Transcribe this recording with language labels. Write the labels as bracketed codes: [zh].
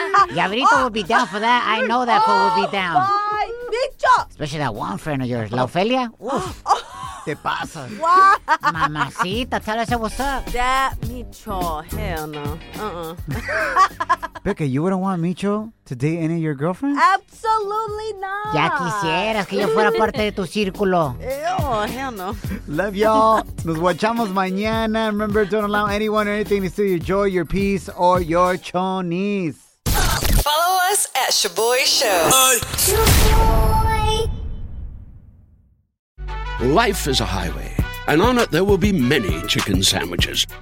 [en] Yaverito will be down for that. I know that fool will be down. My bicho! Especially that one friend of yours, La Ofelia. [es] Te pasa. [en] Mamacita, tell us what's up. That Micho, hell no. Becca, you wouldn't want Micho to date any of your girlfriends? Absolutely not. [es] Ya quisieras que yo fuera parte de tu círculo. [en] Ew, hell no. Love y'all. [es] Nos guachamos mañana. [en] Remember, don't allow anyone or anything to steal your joy, your peace, or your chonies. Follow us at Shaboy Show. Life is a highway, and on it there will be many chicken sandwiches.